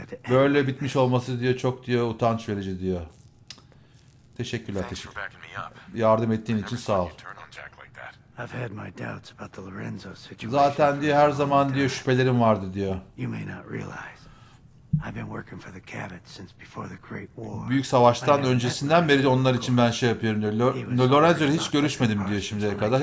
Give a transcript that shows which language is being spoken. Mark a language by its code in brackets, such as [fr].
[tr] Böyle bitmiş olması diyor çok diyor utanç verici diyor. Teşekkürler, teşekkür. Yardım ettiğin için sağ ol. [en] I've had my doubts about the Lorenzo situation. [tr] Zaten diyor her zaman diyor şüphelerim vardı diyor. [en] You may not realize. I've been working for the Cabots since before the Great War. [tr] Büyük savaştan öncesinden beri onlar için ben şey yapıyorum diyor. Lorenzo ile hiç görüşmedim diyor şimdiye kadar.